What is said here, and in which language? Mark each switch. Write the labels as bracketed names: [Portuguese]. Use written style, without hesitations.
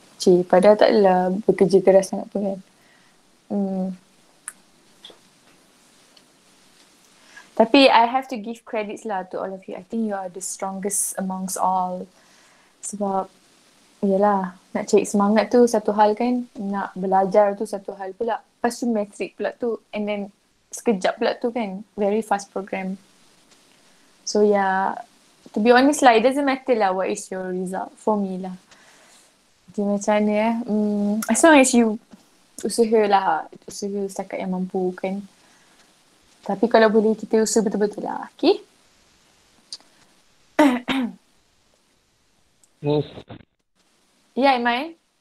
[Malay] Cik, padahal tak adalah bekerja keras sangat pun kan. Tapi [English] I have to give credits lah to all of you. I think you are the strongest amongst all. [Malay] Sebab, yelah, nak cari semangat tu satu hal kan. Nak belajar tu satu hal pula. Lepas tu matrik pula tu. [English] And then, [Malay] sekejap pula tu kan, [English] very fast program. So yeah, To be honest lah, it doesn't matter lah what is your result for me lah. [Malay] Okay, macam mana eh. [English] As long as you [Malay] usaha lah. Usaha setakat yang mampu kan. Tapi kalau boleh, kita usaha betul-betul lah. Okay? Ya, Iman?